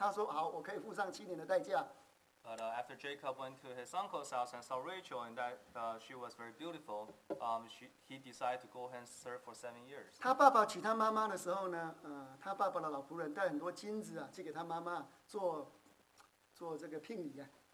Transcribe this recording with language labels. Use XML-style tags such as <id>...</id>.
<zh>但是呢，他一到这么样漂亮的一个，应该不晓得是什么妹妹了哈，堂妹、表妹什么妹不知道哈，就是舅舅的女儿嘛哈，哇，不得了，就说好了，我为他工作7年了。妈妈说住几天，他说好，我可以付上7年的代价。</zh> <en>But after Jacob went to his uncle's house and saw Rachel and that she was very beautiful, he decided to go and serve for 7 years.</en> <zh>他爸爸娶他妈妈的时候呢，他爸爸的老仆人带很多金子啊，去给他妈妈做这个聘礼啊。</zh>